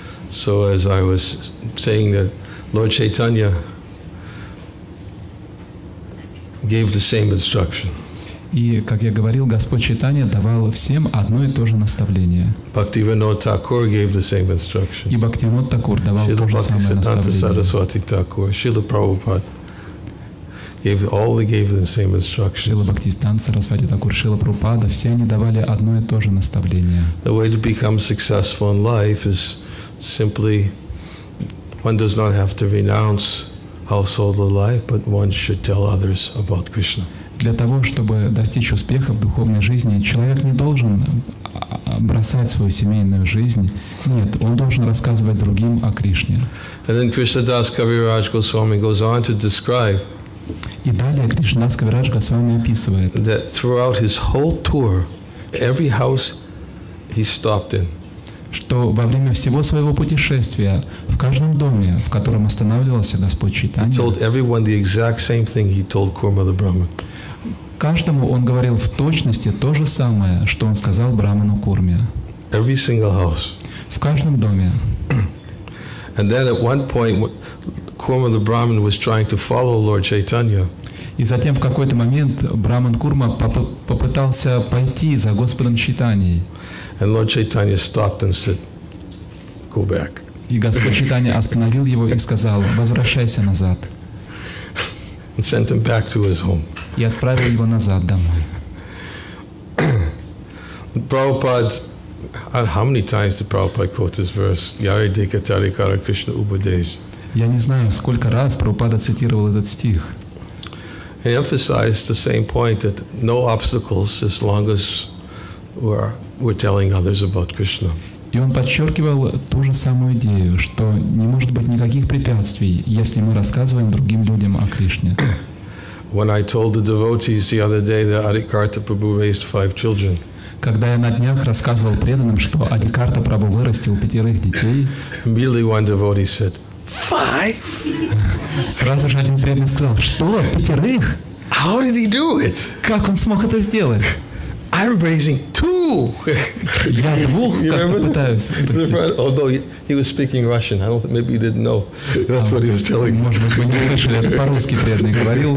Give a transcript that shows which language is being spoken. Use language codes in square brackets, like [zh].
[en] So as I was saying that Lord Chaitanya gave the same instruction. [ru] И, как я говорил, Господь Чайтанья давал всем одно и то же наставление. [en] Бхактивинода Такур gave the same instruction. [ru] И Бхактивинода Такур давал то же самое наставление. Шрила [en] Бхактисиддханта Сарасвати Такур, Шрила Прабхупада gave the same instruction. [ru] Шрила Бхактисиддханта Сарасвати Такур, Шрила Прабхупада, все они давали одно и то же наставление. [en] The way to become successful in life is simply one does not have to renounce householder life, but one should tell others about Krishna. [ru] для того, чтобы достичь успеха в духовной жизни, человек не должен бросать свою семейную жизнь. Нет, он должен рассказывать другим о Кришне. [en] And then Krishna Das Kaviraj Goswami goes on to describe. [ru] И далее Кришна Дас Кавирадж Госвами описывает. [en] That throughout his whole tour, every house he stopped in. [ru] Что во время всего своего путешествия в каждом доме, в котором останавливался Господь Чайтанья, [en] he told everyone the exact same thing he told Kurma the Brahman. [ru] Каждому он говорил в точности то же самое, что он сказал Браману Курме. [en] Every single house. [ru] В каждом доме. [en] And then at one point, Kurma the Brahman was trying to follow Lord Chaitanya. [ru] И затем в какой-то момент Браман Курма попытался пойти за Господом Чайтаньей. [en] And Lord Chaitanya stopped and said, "Go back." [ru] И Господь Чайтанья остановил его и сказал: "Возвращайся назад." [en] And sent him back to his home. [ru] И отправил его назад домой. [en] Prabhupada, how many times did Prabhupada quote this verse? [bn] Yare dekatari kara Krishna upadesh. [ru] Я не знаю, сколько раз Прабхупада цитировал этот стих. [en] He emphasized the same point that no obstacles as long as we're telling others about Krishna. [ru] И он подчеркивал ту же самую идею, что не может быть никаких препятствий, если мы рассказываем другим людям о Кришне. [en] When I told the devotees the other day that Adikarta Prabhu raised 5 children. [ru] Когда я на днях рассказывал преданным, что Адикарта Прабху вырастил 5 детей. [en] Immediately one devotee said, 5? [ru] Сразу же один преданный сказал: "Что? 5? [en] How did he do it? [ru] Как он смог это сделать? [en] I'm raising 2. [ru] Я двух как-то пытаюсь вырастить. [en] Although he was speaking Russian, I don't think, maybe he didn't know. That's what he was telling. [ru] Может быть, вы не слышали, это по-русски преданный говорил.